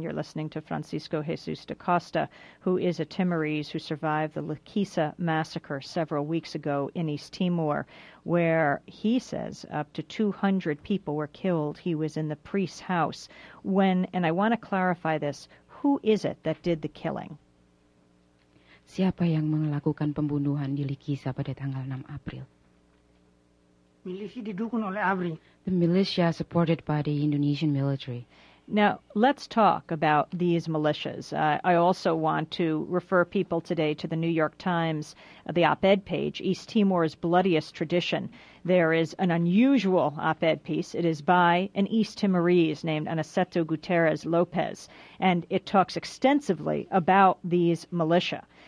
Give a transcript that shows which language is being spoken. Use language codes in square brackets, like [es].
[en] You're listening to Francisco Jesus da Costa, who is a Timorese who survived the Lekisa massacre several weeks ago in East Timor, where he says up to 200 people were killed. He was in the priest's house. And I want to clarify this. Who is it that did the killing? [id] Siapa yang melakukan pembunuhan di Lekisa pada tanggal 6 April? Milisi didukung oleh ABRI. [en] The militia supported by the Indonesian military. Now, let's talk about these militias. I also want to refer people today to the New York Times, the op-ed page, East Timor's Bloodiest Tradition. There is an unusual op-ed piece. It is by an East Timorese named Aniceto Gutierrez Lopez, and it talks extensively about these militia.